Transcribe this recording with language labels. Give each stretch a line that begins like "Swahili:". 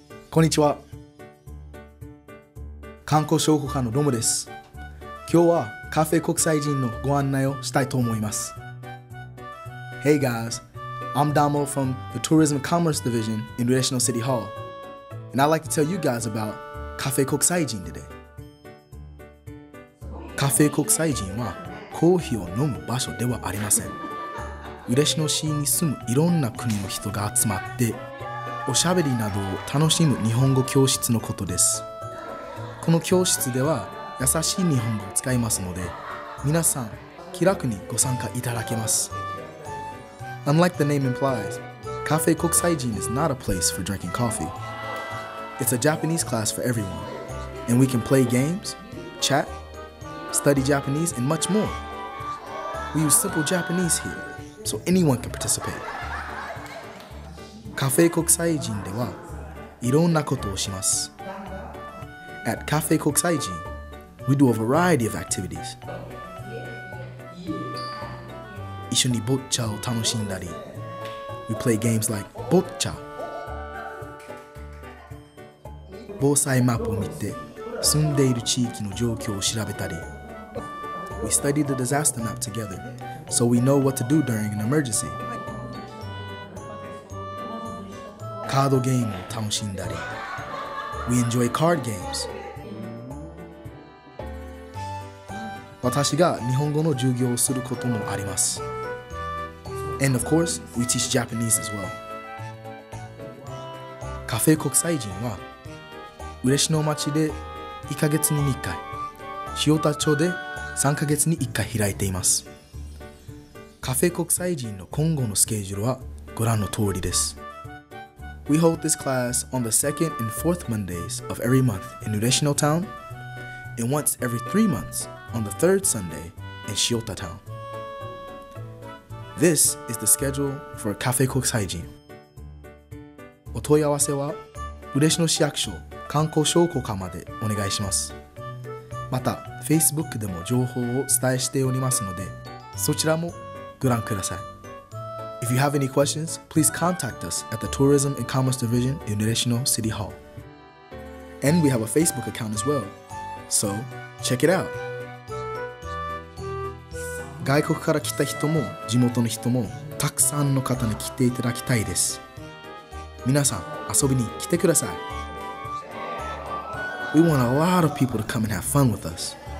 Japanese: こんにちは、観光商法課のロムです。今日はカフェ国際人のご案内をしたいと思います。
English: Hey guys, I'm Damo from the Tourism Commerce Division in Relational City Hall, and I'd like to tell you guys about カフェ国際人 today.
Japanese: カフェ国際人はコーヒーを飲む場所ではありません。嬉野市に住むいろんな国の人が集まっておしゃべりなどを楽しむ日本語教室のことです。この教室では優しい日本語を使いますので、皆さん気楽にご参加いただけます。
English: Unlike the name implies, Cafe Kokusai Jin is not a place for drinking coffee. It's a Japanese class for everyone, and we can play games, chat, study Japanese, and much more. We use simple Japanese here, so anyone can participate.
Japanese: Cafe Kokusai Jin ではいろんなことをします。
English: At Cafe Kokusai Jin, we do a variety of activities.
Japanese: 一緒にボッチャを楽しんだり、
English: We play games like ボッチャ、
Japanese: 防災マップを見て住んでいる地域の状況を調べたり、
English: We study the disaster map together so we know what to do during an emergency.
Japanese: カードゲームを楽しんだり、
English: We enjoy card games.
Japanese: 私が日本語の授業をすることもあります。
English: And of course, we teach Japanese as well.
Japanese: カフェ国際人は、嬉野町で1ヶ月に1回、塩田町で3ヶ月に1回開いています。カフェ国際人の今後のスケジュールはご覧の通りです。
English: We hold this class on the second and fourth Mondays of every month in 嬉野 town, and once every 3 months,on the third Sunday in Shiota Town. This is the schedule for Cafe Kokusai Jin.
Japanese: お問い合わせは嬉野市役所観光商工課までお願いします。また、Facebook でも情報をお伝えしておりますので、そちらもご覧ください。
English: If you have any questions, please contact us at the Tourism and Commerce Division in 嬉野 City Hall. And we have a Facebook account as well, so check it out!
Japanese: 外国から来た人も地元の人もたくさんの方に来ていただきたいです。皆さん遊びに来てください。
English: We want a lot of people to come and have fun with us.